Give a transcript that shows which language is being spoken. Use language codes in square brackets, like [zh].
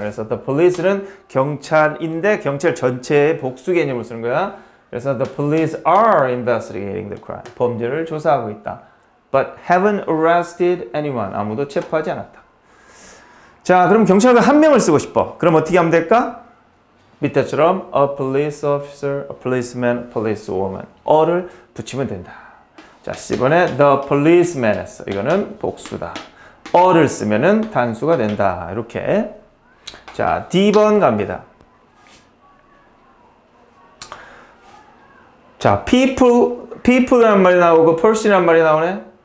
[ko] 그래서 the police는 경찰인데 경찰 전체의 복수 개념을 쓰는 거야. [en] 그래서 the police are investigating the crime. [ko] 범죄를 조사하고 있다. [en] But haven't arrested anyone. [ko] 아무도 체포하지 않았다. 자, 그럼 경찰관 한 명을 쓰고 싶어. 그럼 어떻게 하면 될까? [en] 밑에처럼 a police officer, a policeman, police woman. [ko] 어를 붙이면 된다. 자, 10번에 the policeman 했어. 이거는 복수다. 어를 쓰면은 단수가 된다. 이렇게. 자, D번 갑니다. 자, people란 말이 나오고 person란 말이 나오네.